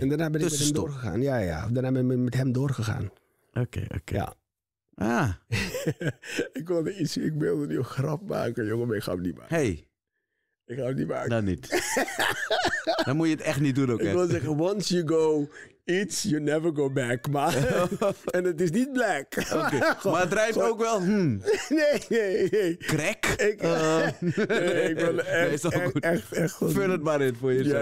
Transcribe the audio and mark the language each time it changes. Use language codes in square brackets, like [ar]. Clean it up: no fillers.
[nl] En daarna ben ik met hem doorgegaan. Ja, ja. Daarna ben ik met hem doorgegaan. Oké, okay, oké. Okay. Ja. Ah. Ik wilde nu een grap maken, jongen. Maar ik ga hem niet maken. Hé. Hey. Ik ga hem niet maken. Dan niet. Dan moet je het echt niet doen, oké. Ik wil zeggen, [en] once you go... It's you never go back, maar... [nl] En het is niet black. Okay. Goh, maar het rijdt ook wel... Hmm. Nee. Crack? Ik wil echt... Vul het maar in voor jezelf.